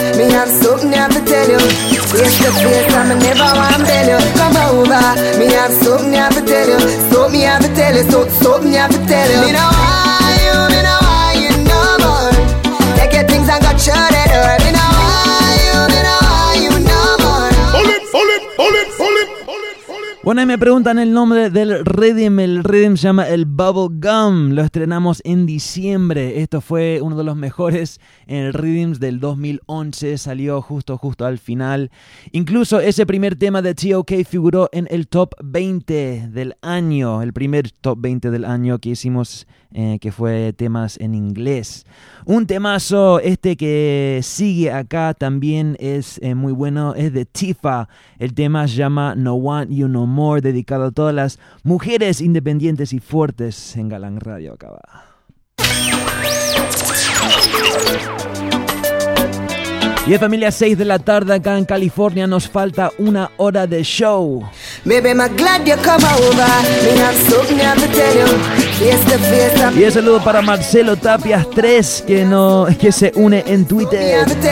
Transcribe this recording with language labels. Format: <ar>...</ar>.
<en>Me have something I have to tell you. Face to face, I'm never want to tell you. Come over, me have something I have to tell you. Something I have to tell you, something I have to tell you. Me know why you, me know why you no more. Take your things and go shut it up. Me know why you, me know why you no more. Hold it, hold it, hold it, hold it.</en> <es>Bueno, y me preguntan el nombre del rhythm. El rhythm se llama el Bubblegum. Lo estrenamos en diciembre. Esto fue uno de los mejores en el rhythms del 2011. Salió justo al final. Incluso ese primer tema de T.O.K. figuró en el top 20 del año. El primer top 20 del año que hicimos, que fue temas en inglés. Un temazo este que sigue acá también es muy bueno. Es de Tifa. El tema se llama No Want You No More, dedicado a todas las mujeres independientes y fuertes en Galán Radio. Acaba. Y es familia, 6 de la tarde acá en California. Nos falta una hora de show.</es> <en>Baby, I'm glad you come over. Me have something I have to tell you.</en> <es>Y un saludo para Marcelo Tapias 3 que se une en Twitter.</es>